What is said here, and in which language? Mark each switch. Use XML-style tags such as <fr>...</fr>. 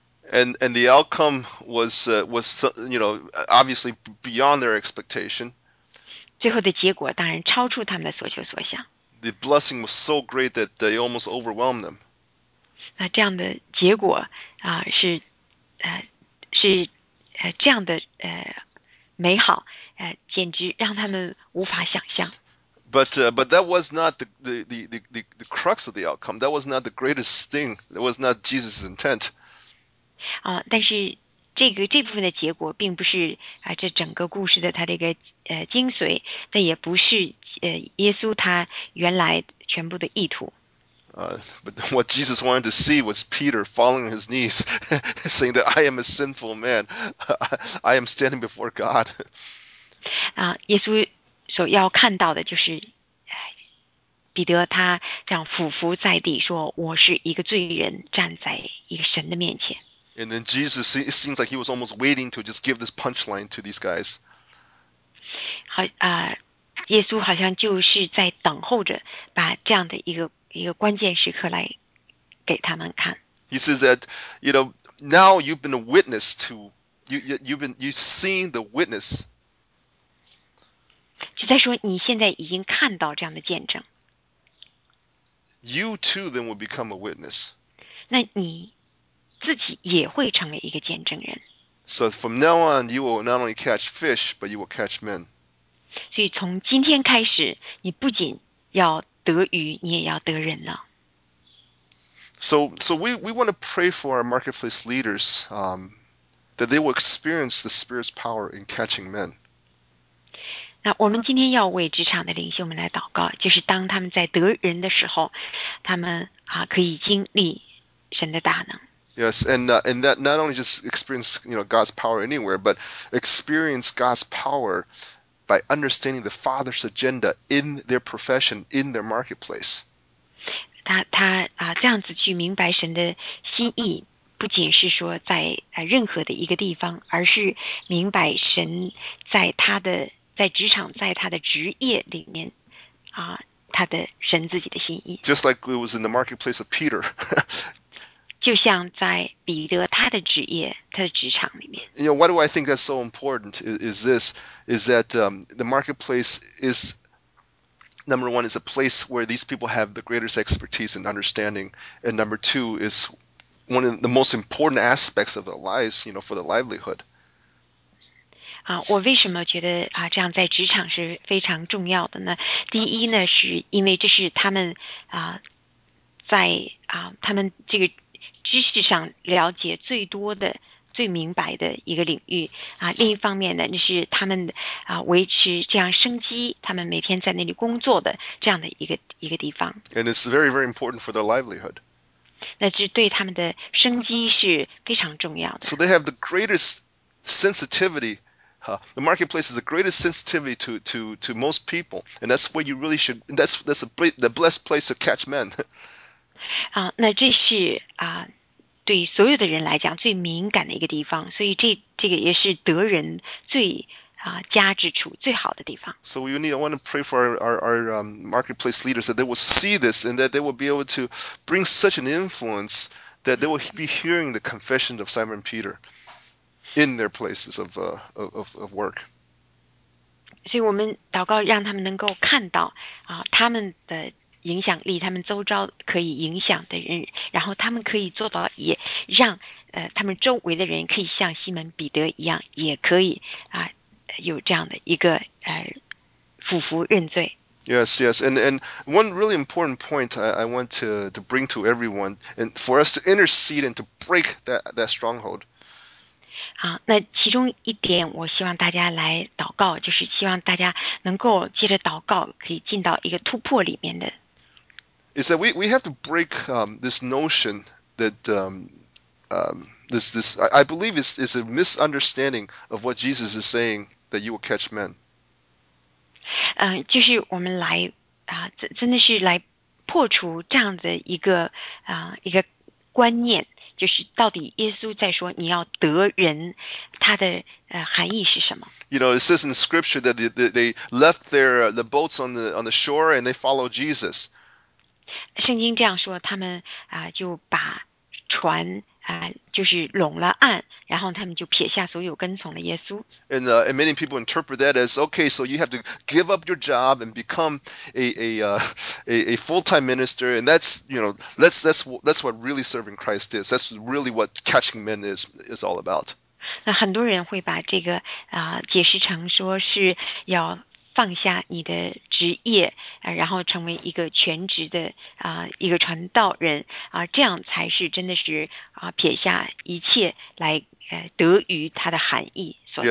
<en>And the outcome was you know obviously beyond their expectation.</en> <zh>最后的结果当然超出他们的所求所想。</zh> <en>The blessing was so great that they almost overwhelmed them.</en> <zh>那这样的结果是这样的美好简直让他们无法想象。</zh> <en>But that was not the crux of the outcome. That was not the greatest thing. That was not Jesus' intent.</en> <zh>但是这部分的结果并不是这整个故事的它的一个精髓，那也不是。耶稣他原来全部的意图。</zh> <en>But what Jesus wanted to see was Peter falling on his knees, saying that I am a sinful man, I am standing before God.</en> <zh>耶稣所要看到的就是彼得他这样俯伏在地，说我是一个罪人，站在一个神的面前。</zh> <en>And then Jesus, it seems like he was almost waiting to just give this punchline to these guys.</en> <zh>耶稣好像就是在等候着把这样的一个关键时刻来给他们看。</zh> <en>He says that, you know, now you've been a witness to, you've seen the witness.</en> <zh>就在说你现在已经看到这样的见证。</zh> <en>You too then will become a witness.</en> <zh>那你自己也会成为一个见证人。</zh> <en>So from now on, you will not only catch fish, but you will catch men.</en> <zh>所以从今天开始，你不仅要得鱼，你也要得人了。</zh> <en>So we want to pray for our marketplace leaders, that they will experience the Spirit's power in catching men.</en> <zh>那我们今天要为职场的领袖们来祷告，就是当他们在得人的时候，他们可以经历神的大能。</zh> <en>Yes, and that not only just experience you know God's power anywhere, but experience God's power. By understanding the Father's agenda in their profession, in their marketplace.</en> <zh>他这样子去明白神的心意，不仅是说在任何的一个地方，而是明白神在他的在职场，在他的职业里面他的神自己的心意。</zh> <en>Just like it was in the marketplace of Peter.</en> <zh>就像在彼得他的职业，他的职场里面。</zh> <en>You know, why do I think that's so important? Is that the marketplace is number one is a place where these people have the greatest expertise and understanding, and number two is one of the most important aspects of their lives. You know, for the livelihood.</en> <zh>啊，我为什么觉得啊这样在职场是非常重要的呢？第一呢，是因为这是他们啊在啊他们这个知识上了解最多的。最明白的一个领域啊，另一方面呢，那是他们啊维持这样生机，他们每天在那里工作的这样的一个地方。</zh> <en>And it's very, very important for their livelihood.</en> <zh>那这对他们的生机是非常重要的。</zh> <en>So they have the greatest sensitivity, huh? The marketplace is the greatest sensitivity to most people, and that's where you really should. That's the blessed place to catch men.</en> <zh>啊，那这是啊。对所有的人来讲最敏感的一个地方，所以这个也是得人最佳之处，最好的地方。</zh> <en>So we need, I want to pray for our marketplace leaders that they will see this and that they will be able to bring such an influence that they will be hearing the confession of Simon Peter in their places of work.</en> <zh>所以我们祷告让他们能够看到他们的影响力，他们周遭可以影响的人，然后他们可以做到，也让他们周围的人可以像西门彼得一样，也可以有这样的一个俯伏认罪。</zh> <en>Yes, yes, and one really important point I want to bring to everyone and for us to intercede and to break that stronghold.</en> <zh>好，那其中一点我希望大家来祷告，就是希望大家能够借着祷告可以进到一个突破里面的。</zh> <en>Is that we have to break this notion that I believe is a misunderstanding of what Jesus is saying that you will catch men.</en> <zh>就是我们来真的是来破除这样的一个观念，就是到底耶稣在说你要得人，他的含义是什么</zh> <en>？You know, it says in the scripture that they left the boats on the shore and they followed Jesus.</en> <zh>圣经这样说，他们就把船就是拢了岸，然后他们就撇下所有跟从了耶稣。</zh> <en>And many people interpret that as okay, so you have to give up your job and become a full-time minister, and that's you know that's what really serving Christ is. That's really what catching men is all about.</en> <zh>那很多人会把这个解释成说是要。放下你的职业，然后成为一个全职的一个传道人这样才是真的是撇下一切来得于他的含义所在。</zh>